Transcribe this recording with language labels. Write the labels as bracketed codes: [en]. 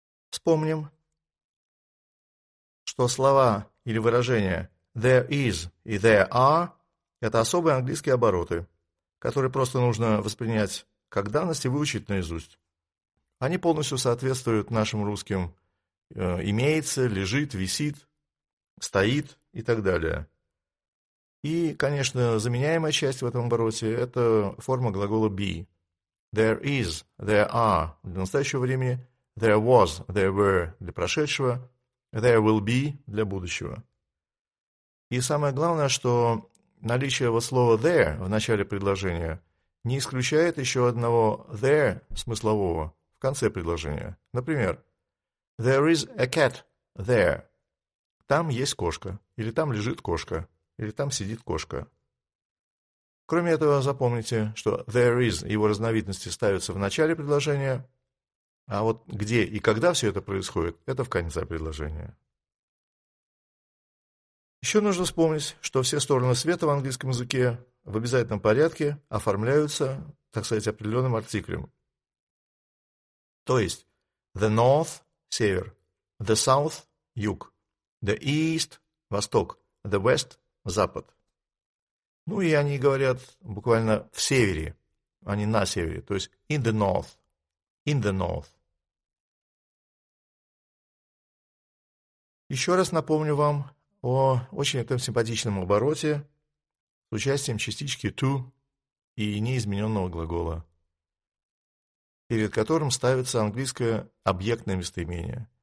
[ru] Вспомним, что слова или выражения [en] «there is» [ru] и [en] «there are» [ru] — это особые английские обороты, которые просто нужно воспринять как данность и выучить наизусть. Они полностью соответствуют нашим русским «имеется», «лежит», «висит», «стоит» и так далее. И, конечно, заменяемая часть в этом обороте — это форма глагола «be». [en] «There is», «there are» [ru] — для настоящего времени, [en] «there was», «there were» [ru] — для прошедшего, [en] «there will be» [ru] — для будущего. И самое главное, что наличие вот слова «there» в начале предложения не исключает еще одного «there» смыслового в конце предложения. Например, [en] «there is a cat there» [ru] — «там есть кошка», или «там лежит кошка», или «там сидит кошка». Кроме этого, запомните, что [en] «there is» [ru] — его разновидности ставятся в начале предложения, а вот где и когда все это происходит — это в конце предложения. Еще нужно вспомнить, что все стороны света в английском языке в обязательном порядке оформляются, так сказать, определенным артиклем. То есть [en] «the north» [ru] — север, [en] «the south» [ru] — юг, [en] «the east» [ru] — восток, [en] «the west» [ru] — запад. Ну и они говорят буквально в севере, а не на севере, то есть [en] in the north, in the north. [ru] Еще раз напомню вам о очень этом симпатичном обороте с участием частички to и неизмененного глагола, перед которым ставится английское объектное местоимение.